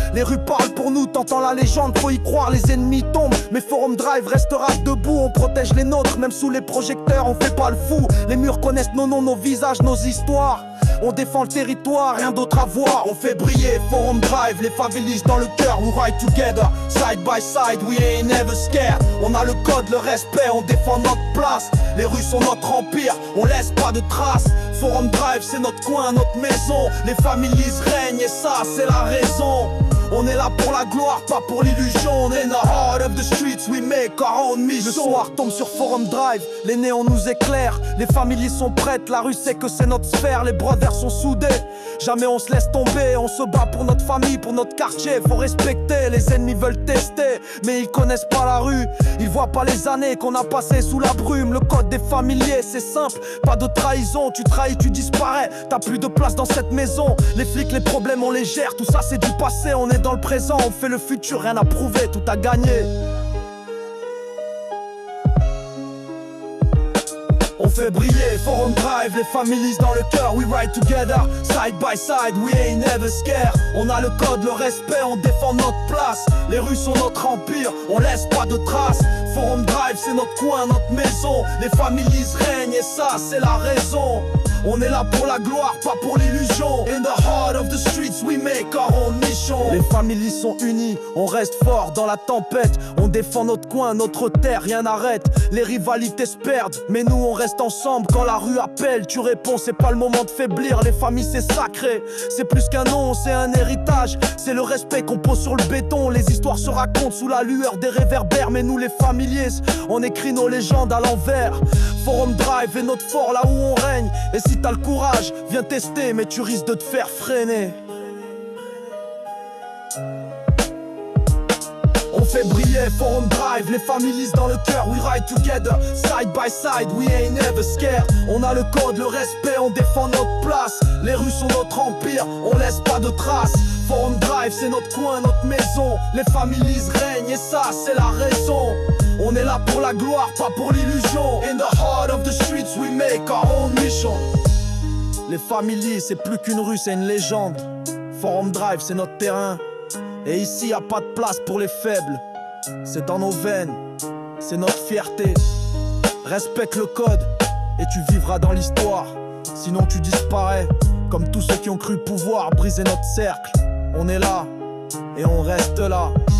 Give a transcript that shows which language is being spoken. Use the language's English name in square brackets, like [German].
[French] Les rues parlent pour nous, t'entends la légende, faut y croire. Les ennemis tombent, mais Forum Drive restera debout. On protège les nôtres, même sous les projecteurs, on fait pas le fou. Les murs connaissent nos noms, nos visages, nos histoires. On défend le territoire, rien d'autre à voir. On fait briller Forum Drive, les favelis dans le cœur. [English] We ride together, side by side, we ain't never scared. [French] On a le code, le respect, on défend notre place. Les rues sont notre empire, on laisse pas de traces. Forum Drive, c'est notre coin, notre maison. Les familles règnent et ça, c'est la raison. On est là pour la gloire, pas pour l'illusion. On est [English] in the heart of the streets, we make our own mission. [French] Le soir tombe sur Forum Drive, les néons nous éclairent. Les familles sont prêtes, la rue sait que c'est notre sphère. Les brothers sont soudés, jamais on se laisse tomber. On se bat pour notre famille, pour notre quartier. Faut respecter, les ennemis veulent tester, mais ils connaissent pas la rue. Ils voient pas les années qu'on a passées sous la brume. Le code des familiers, c'est simple, pas de trahison. Tu trahis, tu disparais, t'as plus de place dans cette maison. Les flics, les problèmes, on les gère, tout ça c'est du passé. On est dans le présent, on fait le futur, rien à prouver, tout à gagner. On fait briller Forum Drive, les familles dans le cœur. [English] We ride together, side by side, we ain't never scared. [French] On a le code, le respect, on défend notre place. Les rues sont notre empire, on laisse pas de traces. Forum Drive, c'est notre coin, notre maison. Les familles règnent et ça, c'est la raison. On est là pour la gloire, pas pour l'illusion. [English] In the heart of the streets, we make our own mission. [French] Les familles sont unies, on reste fort dans la tempête. On défend notre coin, notre terre, rien n'arrête. Les rivalités se perdent, mais nous on reste ensemble. Quand la rue appelle, tu réponds, c'est pas le moment de faiblir. Les familles c'est sacré, c'est plus qu'un nom, c'est un héritage. C'est le respect qu'on pose sur le béton. Les histoires se racontent sous la lueur des réverbères. Mais nous les familiers, on écrit nos légendes à l'envers. Forum Drive est notre fort là où on règne. Et si t'as le courage, viens tester, mais tu risques de te faire freiner. On fait briller Forum Drive, les familles dans le cœur. [English] We ride together, side by side, we ain't never scared. [French] On a le code, le respect, on défend notre place. Les rues sont notre empire, on laisse pas de traces. Forum Drive, c'est notre coin, notre maison. Les familles règnent et ça, c'est la raison. On est là pour la gloire, pas pour l'illusion. [English] In the heart of the streets, we make our own mission. [French] Les familles, c'est plus qu'une rue, c'est une légende. Forum Drive, c'est notre terrain. Et ici, y a pas de place pour les faibles. C'est dans nos veines, c'est notre fierté. Respecte le code, et tu vivras dans l'histoire. Sinon tu disparais, comme tous ceux qui ont cru pouvoir briser notre cercle. On est là, et on reste là.